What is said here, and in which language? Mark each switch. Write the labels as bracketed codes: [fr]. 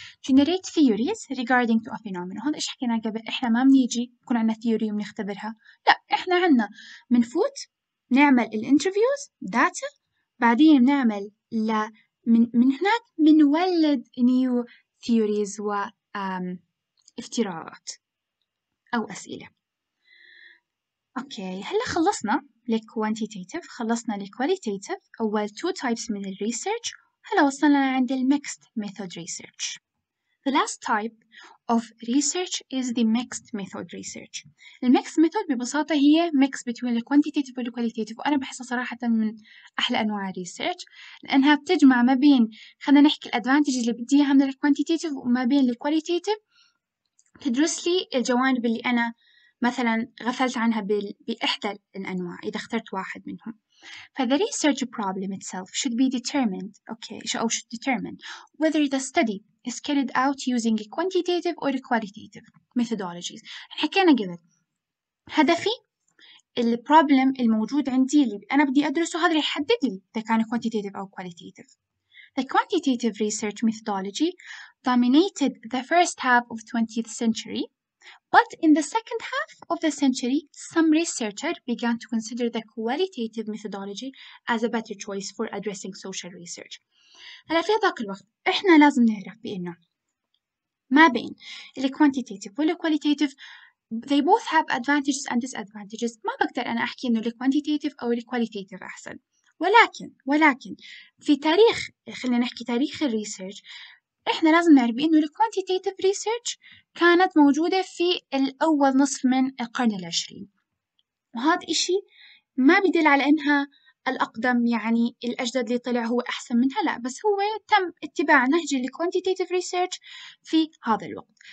[en] generate theories regarding to a phenomenon، [ar] هذا ايش حكينا قبل، احنا ما بنيجي يكون عندنا ثيوري وبنختبرها، لا احنا عندنا بنفوت نعمل الانترفيوز داتا، بعدين بنعمل من هناك بنولد نيو ثيوريز و افتراضات او اسئله. اوكي هلا خلصنا الكوانتيتيف، خلصنا الكواليتيف، اول تو تايبس من الريسيرش. هلا وصلنا عند mixed method research. [en] The last type of research is the mixed method research. [ar] The mixed method ببساطة هي [en] mix between the quantitative and the qualitative، [ar] وأنا بحسها صراحة من أحلى أنواع research لأنها بتجمع ما بين، خلنا نحكي الأدفانتجز اللي بديها من الكوانتيتيف وما بين الكواليتيتيف، تدرس لي الجوانب اللي أنا مثلا غفلت عنها بإحدى الأنواع إذا اخترت واحد منهم. [en] فthe research problem itself should be determined okay or should determine whether the study is carried out using a quantitative or a qualitative methodologies. [ar] حكينا قبل هدفي ال problem الموجود عندي اللي أنا بدي أدرسه هذا اللي يحدد لي إذا كان quantitative أو qualitative. [en] The quantitative research methodology dominated the first half of 20th century. But in the second half of the century, some researchers began to consider the qualitative methodology as a better choice for addressing social research. [ar] هلا في هذاك الوقت احنا لازم نعرف بانه ما بين الكوانتيتيف والكواليتيف [en] they both have advantages and disadvantages. [ar] ما بقدر انا احكي انه الكوانتيتيف او الكواليتيف احسن، ولكن في تاريخ، خلينا نحكي تاريخ الريسيرش، احنا لازم نعرف انه الكوانتيتيف ريسيرش كانت موجودة في الأول نصف من القرن العشرين، وهذا إشي ما بيدل على أنها الأقدم، يعني الأجدد اللي طلع هو أحسن منها، لا، بس هو تم اتباع نهج الـ quantitative research في هذا الوقت.